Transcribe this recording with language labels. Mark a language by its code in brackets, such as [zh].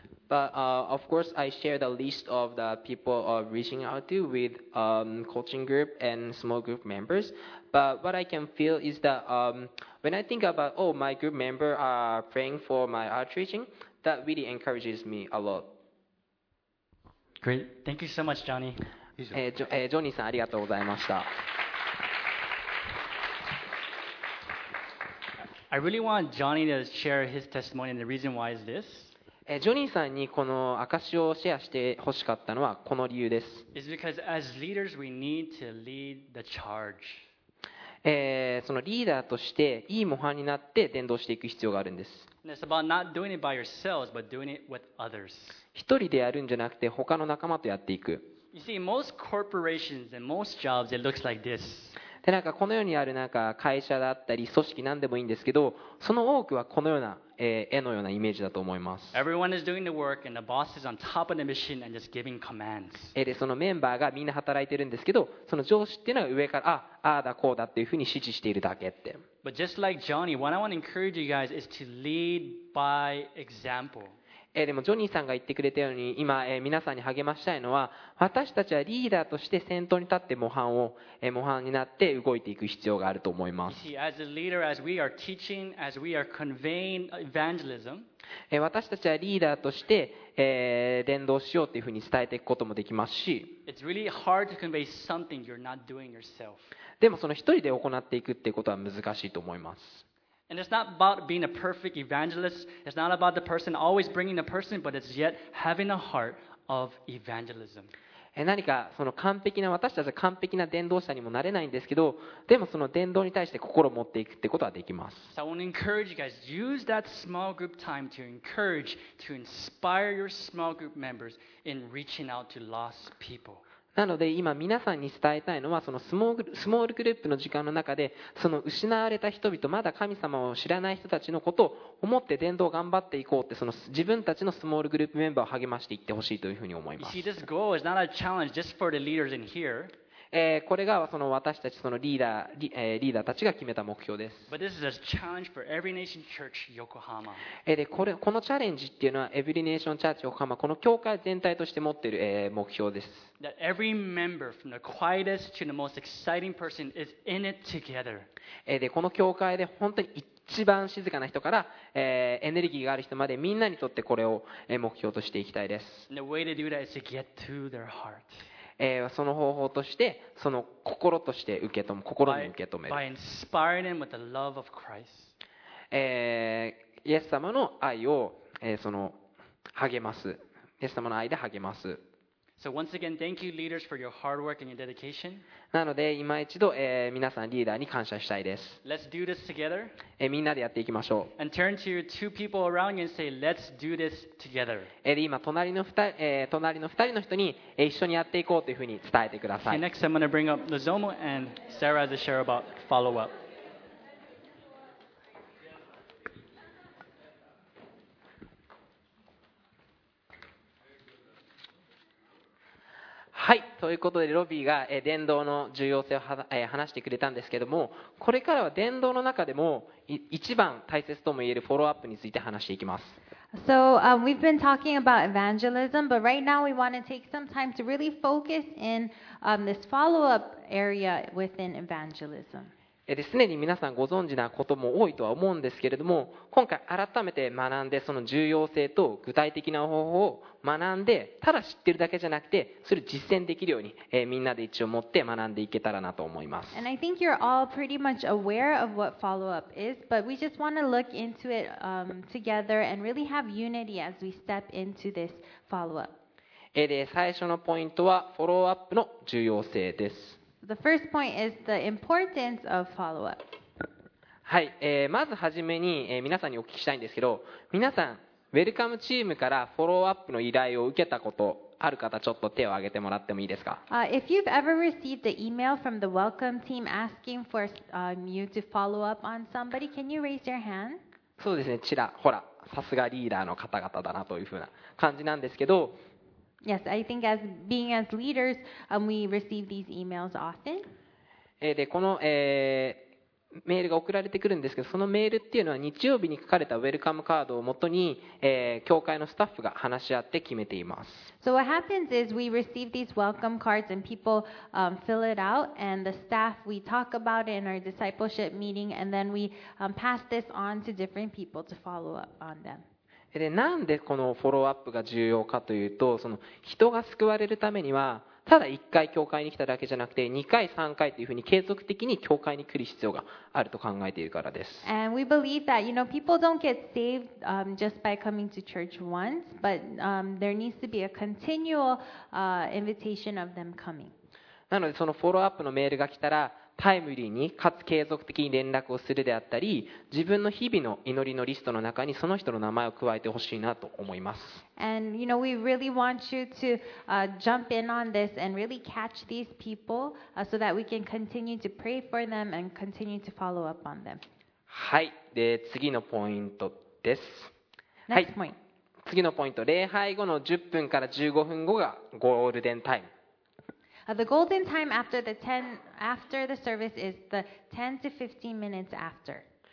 [en] But of course, I share the list of the people of reaching out to with coaching group and small group members. But what I can feel is that when I think about, oh, my group member are praying for my outreaching, that really encourages me a lot. Great. Thank you so much, Johnny. [ja] ジョニーさん、ありがとうございました。 [en] I really want Johnny to share his testimony, and the reason why is this. [ja] ジョニーさんにこの証をシェアしてほしかったのはこの理由です。 [en] It's because as leaders we need to lead the charge. [ja] そのリーダーとしていい模範になって伝道していく必要があるんです。 [en] It's about not doing it by yourselves, but doing it with others. [ja] 一人でやるんじゃなくて他の仲間とやっていく。 [en] You see, most corporations and most jobs, it looks like this. [ja] でなんかこの世にあるなんか会社だったり組織なんでもいいんですけど、その多くはこのような絵のようなイメージだと思います。 [en] Everyone is doing the work and the boss is on top of the machine and just giving commands. [ja] でそのメンバーがみんな働いてるんですけど、その上司っていうのは上からああだこうだっていうふうに指示しているだけって。 [en] But just like Johnny, what I want to encourage you guys is to lead by example. [ja] でもジョニーさんが言ってくれたように今皆さんに励ましたいのは私たちはリーダーとして先頭に立って模範になって動いていく必要があると思います。 [en] As a leader, as we are teaching, as we are conveying evangelism, [ja] 私たちはリーダーとして伝道しようというふうに伝えていくこともできますし、 [en] It's really hard to convey something you're not doing yourself. [ja] でもその一人で行っていくということは難しいと思います。 [en] And it's not about being a perfect evangelist. It's not about the person always bringing the person, but it's yet having a heart of evangelism. [ja] 何かその完璧な私たちは完璧な伝道者にもなれないんですけど、でもその伝道に対して心を持っていくってことはできます。 [en] So I want to encourage you guys. Use that small group time to encourage, to inspire your small group members in reaching out to lost people. [ja] なので今皆さんに伝えたいのはそのスモールグループの時間の中でその失われた人々まだ神様を知らない人たちのことを思って伝道を頑張っていこうってその自分たちのスモールグループメンバーを励ましていってほしいというふうに思います。 [en] You see, this goal is not a challenge just for the leaders in here. [ja] これがその私たちそのリーダーたちが決めた目標です。 [en] But this is a challenge for Every Nation Church Yokohama. [ja] このチャレンジっていうのはEvery Nation Church Yokohama この教会全体として持っている目標です。 [en] That every member, from the quietest to the most exciting person, is in it together. [ja] で、この教会で本当に一番静かな人から、エネルギーがある人までみんなにとってこれを目標としていきたいです。 [en] And the way to do that is to get to their heart. [ja] その方法として、その心として受け止む、心に受け止める。 [en] By inspiring them with the love of Christ. [ja] イエス様の愛を、その励ます。イエス様の愛で励ます。 [en] So once again, thank you leaders for your hard work and your dedication. [ja] なので今一度、皆さんリーダーに感謝したいです。 [en] Let's do this together. [ja] みんなでやっていきましょう。 [en] And turn to your two people around you and say, let's do this together. [ja] で今隣の二人の人に一緒にやっていこうというふうに伝えてください。 [en] Okay, next I'm going to bring up Nozomu and Sarah to share about follow up. [ja] はい、ということでロビーが伝道の重要性を話してくれたんですけども、これからは伝道の中でも一番大切ともいえるフォローアップについて話していきます。 [en] So, we've been talking about evangelism, but right now we want to take some time to really focus in, this follow-up area within evangelism. [ja] ですでに皆さんご存知なことも多いとは思うんですけれども、今回改めて学んでその重要性と具体的な方法を学んで、ただ知ってるだけじゃなくてそれを実践できるように、みんなで一応持って学んでいけたらなと思います。 [en] And I think you're all pretty much aware of what follow-up is, but we just want to look into it, together and really have unity as we step into this follow-up. [ja] で最初のポイントはフォローアップの重要性です。 [en] So the first point is the importance of follow-up. [ja] はい、まずはじめに、皆さんにお聞きしたいんですけど、皆さんウェルカムチームからフォローアップの依頼を受けたことある方、ちょっと手を挙げてもらってもいいですか。 [en] If you've ever received an email from the welcome team asking for, you to follow up on somebody, can you raise your hand? [ja] そうですね、ちら、ほら、さすがリーダーの方々だなというふうな感じなんですけど。 [en] Yes, I think as being as leaders, we receive these emails often. [ja] で、この、メールが送られてくるんですけど、そのメールっていうのは日曜日に書かれたウェルカムカードをもとに、教会のスタッフが話し合って決めています。 [en] So what happens is we receive these welcome cards and people, fill it out and the staff, we talk about it in our discipleship meeting and then we, pass this on to different people to follow up on them. [ja] で、なんでこのフォローアップが重要かというと、その人が救われるためには、ただ1回教会に来ただけじゃなくて2回3回というふうに継続的に教会に来る必要があると考えているからです。 [en] And we believe that, you know, people don't get saved, just by coming to church once, but, there needs to be a continual, invitation of them coming. [ja] なのでそのフォローアップのメールが来たらタイムリーにかつ継続的に連絡をするであったり、自分の日々の祈りのリストの中にその人の名前を加えてほしいなと思います。 [en] And you know, we really want you to, jump in on this and really catch these people, so that we can continue to pray for them and continue to follow up on them. [ja] はい、で次のポイントです。 [en] Next point. [ja] はい、次のポイント、礼拝後の10分から15分後がゴールデンタイム。 [en] The golden time after the 10, after the service is the 10 to 15 minutes after.